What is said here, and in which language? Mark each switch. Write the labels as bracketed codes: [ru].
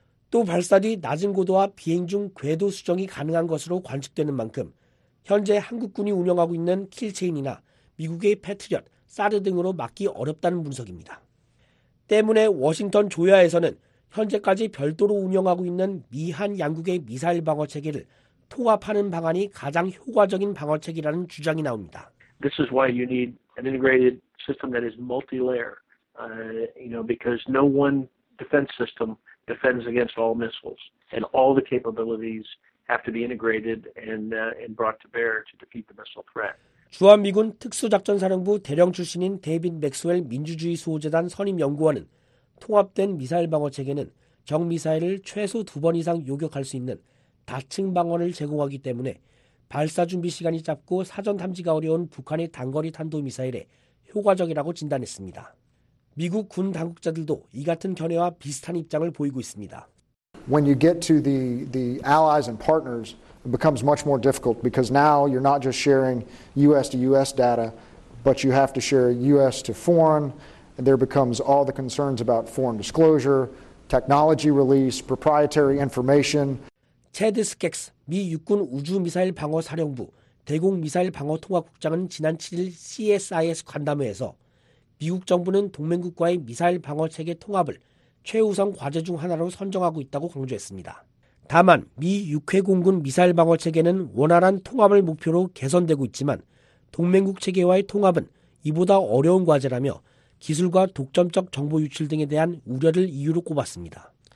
[ko] 또 발사 뒤 낮은 고도와 비행 중 궤도 수정이 가능한 것으로 관측되는 만큼 현재 한국군이 운영하고 있는 킬체인이나 미국의 패트리엇, 사드 등으로 막기 어렵다는 분석입니다. 때문에 워싱턴 조야에서는 현재까지 별도로 운영하고 있는 미한 양국의 미사일 방어 체계를 통합하는 방안이 가장 효과적인 방어책이라는 주장이 나옵니다. [en] This is why you need an integrated system that is multi-layer. Because no one defense system defends against all missiles, and all the capabilities have to be integrated and brought to bear to defeat the missile threat. [ko] 주한미군 특수작전사령부 대령 출신인 데이빗 맥스웰 민주주의 수호재단 선임 연구원은 통합된 미사일 방어책에는 적미사일을 최소 두 번 이상 요격할 수 있는 다층 방어를 제공하기 때문에 발사 준비 시간이 짧고 사전 탐지가 어려운 북한의 단거리 탄도미사일에 효과적이라고 진단했습니다. 미국 군 당국자들도 이 같은 견해와 비슷한 입장을 보이고 있습니다. [en] When you get to the allies and partners, it becomes much more difficult because now you're not just sharing U.S. to U.S. data, but you have to share U.S. to foreign, and there becomes all the concerns about foreign disclosure, technology release, proprietary information. [ko] 체드 스켈스 미 육군 우주미사일 방어사령부 대공미사일 방어통합국장은 지난 7일 CSIS 간담회에서 미국 정부는 동맹국과의 미사일 방어체계 통합을 최우선 과제 중 하나로 선정하고 있다고 강조했습니다. 다만 미 육해공군 미사일 방어체계는 원활한 통합을 목표로 개선되고 있지만 동맹국 체계와의 통합은 이보다 어려운 과제라며 기술과 독점적 정보 유출 등에 대한 우려를 이유로 꼽았습니다.